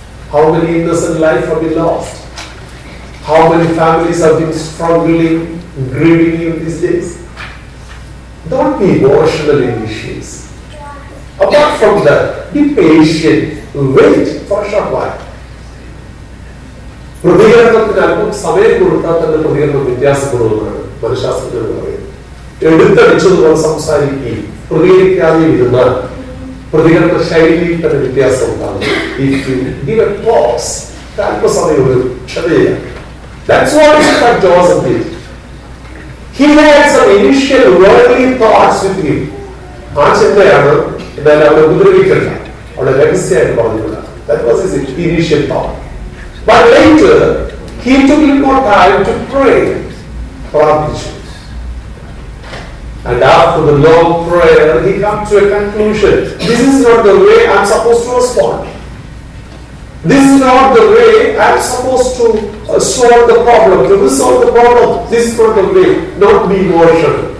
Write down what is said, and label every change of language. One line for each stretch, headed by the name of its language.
English: How many innocent lives have been lost? How many families have been struggling, grieving in these days? Don't be emotional in issues. Apart from that, be patient. Wait for Shavuot.
Malayalam: പ്രതികരണത്തിനൽപ്പം സമയം കൊടുത്താൽ തന്നെ പ്രതികരണം വ്യത്യാസപ്പെടുമെന്നാണ് മനഃശാസ്ത്രജ്ഞർ പറയുന്നത്. എടുത്തടിച്ചതുപോലെ സംസാരിക്കുകയും പ്രതികരിക്കാതെ ഇരുന്നാൽ പ്രതികരണ ശൈലി തന്നെ വ്യത്യാസം ഉണ്ടാകും.
English: He had some initial worldly thoughts with him.
Malayalam: ആശങ്കയാണ് ഇതെല്ലാം അവരെ ഉപദ്രവിക്കുന്നത്. അവിടെ രഹസ്യമായിട്ട് പറഞ്ഞിട്ടില്ല.
English: That was his initial thought. But later, he took him more time to pray.
Malayalam: പ്രാർത്ഥിച്ചു.
English: And after the long prayer, he comes to a conclusion. This is not the way I'm supposed to respond. This is not the way I'm supposed to solve the problem, to resolve the problem. This is not the way. Don't be emotional.